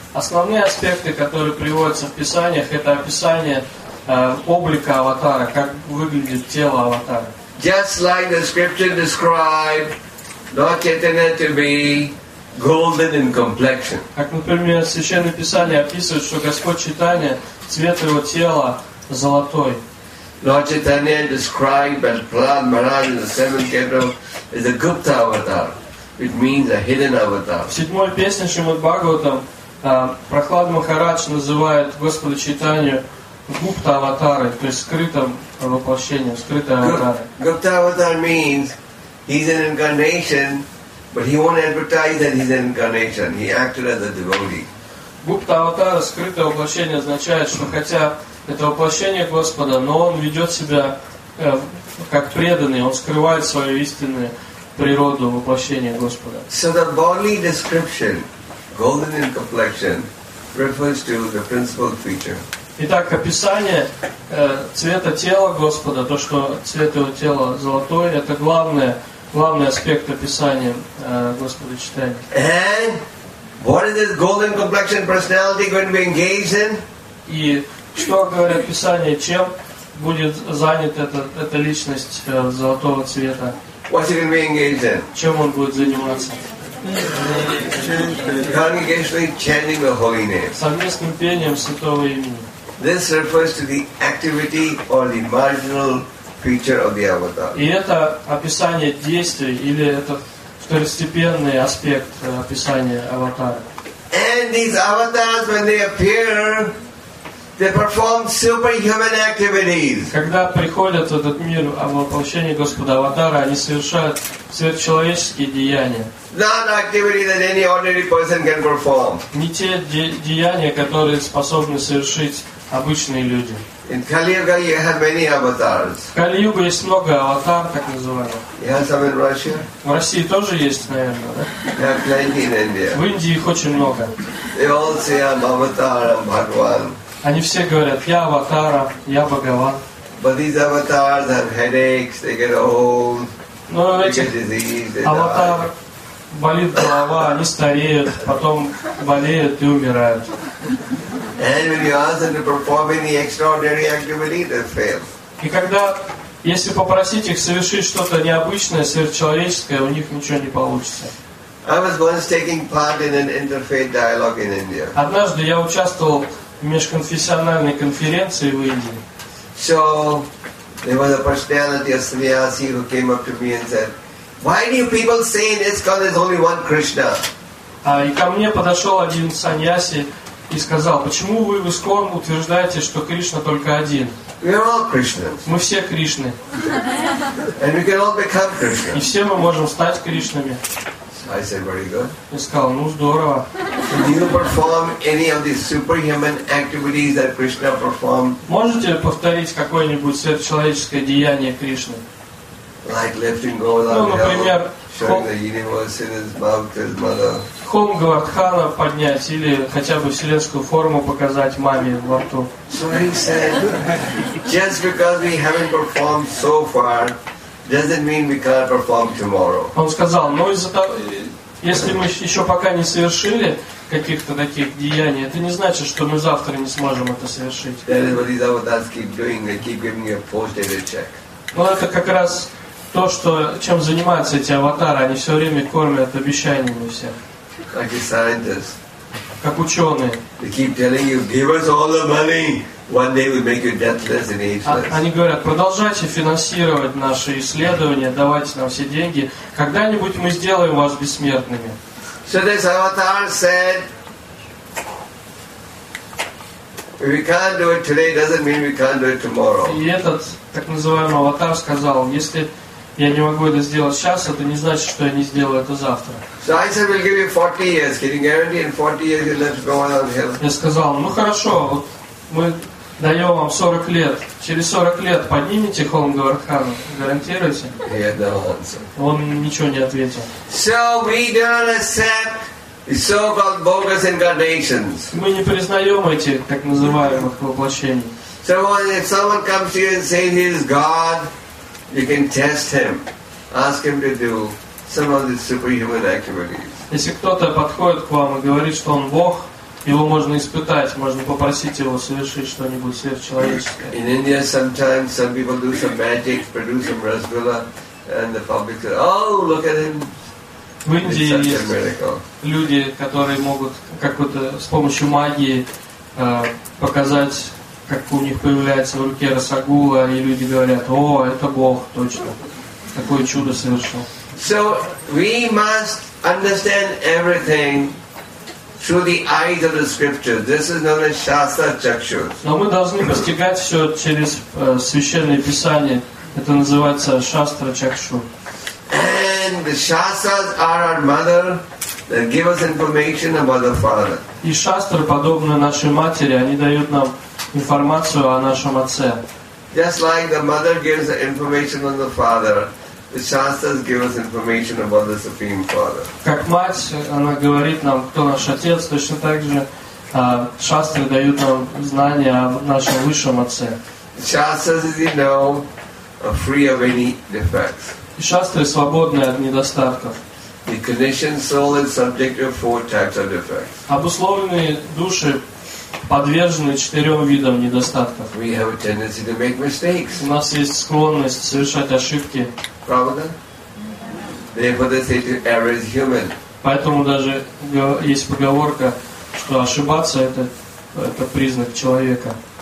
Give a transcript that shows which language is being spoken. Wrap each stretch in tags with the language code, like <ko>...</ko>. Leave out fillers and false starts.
<ru>Основные аспекты, которые приводятся в писаниях, это описание облика аватара, как выглядит тело аватара.</ru> <en>Just like the scripture described Lord Chaitanya to be golden in complexion.</en> <ru>Как, например, Священное Писание описывает, что Господь Чайтанья цвет его тела золотой.</ru> <en>Lord Chaitanya described as Prahlad Maharaj in the seventh canto is a Gupta avatar. It means a hidden avatar.</en> <ru>В седьмой песне Шримад Бхагаватам Прохлад Махарадж называет Господа Чайтанью Гупта аватары, то есть скрытым воплощением, скрытым аватары.</ru> <en>Gupta avatar means he's an incarnation, but he won't advertise that he's an incarnation. He acted as a devotee.</en> <ru>Гупта аватара, скрытое воплощение, означает, что хотя это воплощение Господа, но он ведет себя как преданный, он скрывает свою истинную природу воплощения Господа.</ru> <en>So the bodily description, golden in complexion, refers to the principal feature.</en> <ru>Итак, описание цвета тела Господа, то, что цвет его тела золотой, это главный аспект описания Господа Чайтаньи.</ru> <en>And what is this golden complexion personality going to be engaged in?</en> <ru>И что говорит Писание, чем будет занят эта личность золотого цвета?</ru> <en>What's he going to be engaged in?</en> <ru>Чем он будет заниматься?</ru> <en>Congregationally chanting the holy name.</en> <ru>Совместным пением святого имени.</ru> <en>This refers to the activity or the marginal feature of the avatar.</en> <ru>И это описание действий или это второстепенный аспект описания аватара.</ru> <en>And these avatars, when they appear, they perform superhuman activities.</en> <ru>Когда приходят в этот мир воплощение Господа аватара, они совершают сверхчеловеческие деяния.</ru> <en>Not activity that any ordinary person can perform.</en> <ru>Не те деяния, которые способны совершить обычные люди.</ru> <en>In Kali-Yuga, you have many avatars.</en> <ru>В Кали-Юге есть много аватар, так называемых.</ru> <en>You have some in Russia?</en> <ru>В России тоже есть, наверное. Да?</ru> <en>You have plenty in India.</en> <ru>В Индии их очень много.</ru> <en>They all say, I'm avatar, I'm Bhagavan.</en> <ru>Они все говорят, я аватар, я Бхагаван.</ru> <en>But these avatars have headaches, they get old.</en> <ru>Но эти аватар болит голова, они стареют, потом болеют и умирают.</ru> <en>And when you ask them to perform any extraordinary activity, they fail.</en> <ru>И когда, если попросить их совершить что-то необычное, сверхчеловеческое, у них ничего не получится.</ru> <en>I was once taking part in an interfaith dialogue in India.</en> <ru>Однажды я участвовал в межконфессиональной конференции в Индии.</ru> <en>So there was a personality of Sannyasi who came up to me and said, "Why do you people say in ISKCON there's only one Krishna?"</en> <ru>И ко мне подошел один саньяси и сказал, почему вы в ИСКОН утверждаете, что Кришна только один?</ru> <en>We are all Krishnas.</en> <ru>Мы все Кришны.</ru> <en>And we can all become Krishna.</en> <ru>И все мы можем стать Кришнами.</ru> <en>So I said, very good.</en> <ru>И сказал, ну здорово.</ru> <en>So do you perform any of these superhuman activities that Krishna performed?</en> <ru>Можете повторить какое-нибудь сверхчеловеческое деяние Кришны?</ru> <en>Like lifting gold out of heaven, showing the universe in his mouth, his mother.</en> <ru>Холм Гавардхана поднять или хотя бы вселенскую форму показать маме во рту.</ru> <en>So he said, just because we haven't performed so far, doesn't mean we can't perform tomorrow.</en> <ru>Он сказал, но из-за того, если мы еще пока не совершили каких-то таких деяний, это не значит, что мы завтра не сможем это совершить.</ru> <en>That is what these avatars keep doing. They keep giving me a post-dated check.</en> <ru>Но это как раз то, что чем занимаются эти аватары. Они все время кормят обещаниями все.</ru> <en>Like a scientist.</en> <ru>Как ученые.</ru> <en>They keep telling you, give us all the money. One day we make you debtless and ageless.</en> <ru>Они говорят, продолжайте финансировать наши исследования, давайте нам все деньги. Когда-нибудь мы сделаем вас бессмертными.</ru> <en>So this avatar said, if we can't do it today, doesn't mean we can't do it tomorrow.</en> <ru>И этот так называемый аватар сказал, если я не могу это сделать сейчас, это не значит, что я не сделаю это завтра.</ru> <en>So I said, we'll give you 40 years. Can you guarantee in 40 years you'll let go on hill?</en> <ru>Я сказал, ну хорошо, вот мы даем вам 40 лет. Через 40 лет поднимите холм Гавардхана, гарантируете? Он ничего не ответил.</ru> <en>So we don't accept the so-called bogus incarnations.</en> <ru>Мы не признаем эти так называемых воплощений.</ru> <en>So if someone comes to you and says he is God, you can test him, ask him to do some of these superhuman activities.</en> <ru>Если кто-то подходит к вам и говорит, что он Бог, его можно испытать, можно попросить его совершить что-нибудь сверхчеловеческое.</ru> <en>In India, sometimes some people do some magic, produce some rasgulla, and the public says, "Oh, look at him!</en> <ru>В Индии есть люди, которые могут как-то с помощью магии показать, как у них появляется в руке расагула, и люди говорят: «О, это Бог, точно, такое чудо совершил».</ru> <en>So we must understand everything through the eyes of the scriptures. This is known as shastra chakshu.</en> <ru>Но мы должны постигать все через священные писания. Это называется шастра чакшу.</ru> <en>And the shastras are our mother that give us information about the Father.</en> <ru>И шастры подобны нашей матери, они дают нам информацию о нашем отце.</ru> <en>Just like the mother gives the information on the Father, the shastras give us information about the Supreme Father.</en> <ru>Как мать, она говорит нам, кто наш отец, точно так же шастры дают нам знания о нашем высшем отце.</ru> <en>The shastras, as you know, are free of any defects.</en> <ru>Шастры свободны от недостатков.</ru> <en>The conditioned soul is subject to four types of defects.</en> <ru>Обусловленные души подвержены четырем видам недостатков.</ru> <en>We have a tendency to make mistakes.</en> <ru>У нас есть склонность совершать ошибки. Правда?</ru> <en>Therefore, they say to err is human.</en> <ru>Поэтому даже есть поговорка, что ошибаться это признак человека.</ru>